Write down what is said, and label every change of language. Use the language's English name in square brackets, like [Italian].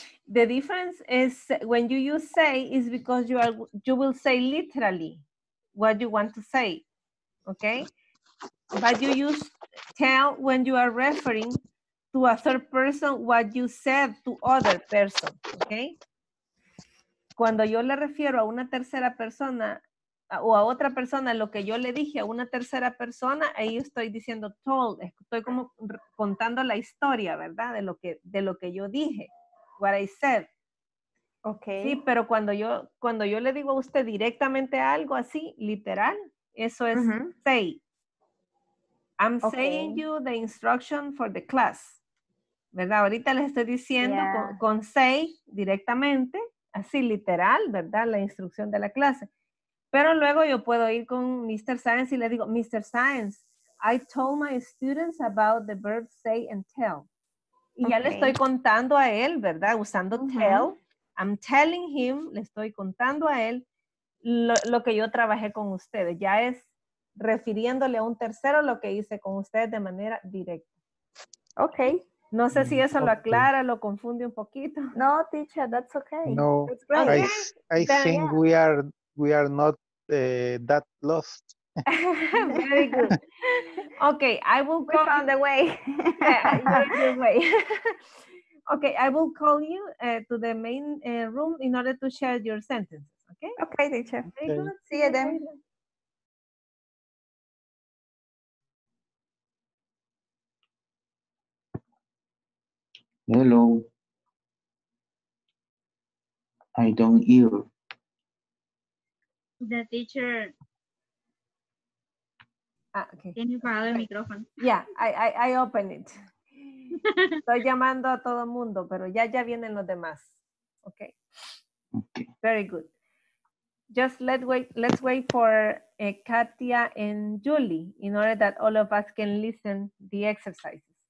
[English] The difference is when you use say is because you will say literally what you want to say. Okay. But you use tell when you are referring to a third person what you said to other person. Okay. [Spanish] Cuando yo le refiero a una tercera persona, o a otra persona, lo que yo le dije a una tercera persona, ahí estoy diciendo told, estoy como contando la historia, ¿verdad? De lo que yo dije, [English] what I said. Okay. [Spanish] Sí, pero cuando yo le digo a usted directamente algo así, literal, eso es say. [English] I'm saying you the instruction for the class. [Spanish] ¿Verdad? Ahorita les estoy diciendo con say directamente, así literal, ¿verdad? La instrucción de la clase. Pero luego yo puedo ir con Mr. Science y le digo, Mr. [English] Science, I told my students about the verbs say and tell. [Spanish] Y ya le estoy contando a él, ¿verdad? Usando tell, [English] I'm telling him, [Spanish] le estoy contando a él lo que yo trabajé con ustedes. Ya es refiriéndole a un tercero lo que hice con ustedes de manera directa. [English] Ok. [Spanish] No sé si eso lo aclara, lo confunde un poquito. [English] No, teacher, that's okay. No, I think we are not that lost. Very good. Okay, I will call you. We found the way. way. Okay, I will call you to the main room in order to share your sentence. Okay? Okay, teacher. Very good. See you then. Hello. I don't hear. The teacher. Okay. [Spanish] Tiene parado el micrófono. [English] Yeah, I open it. [Spanish] Estoy llamando a todo el mundo, pero ya vienen los demás. [English] Okay. Okay. Very good. Just let's wait for Katia and Julie in order that all of us can listen the exercises.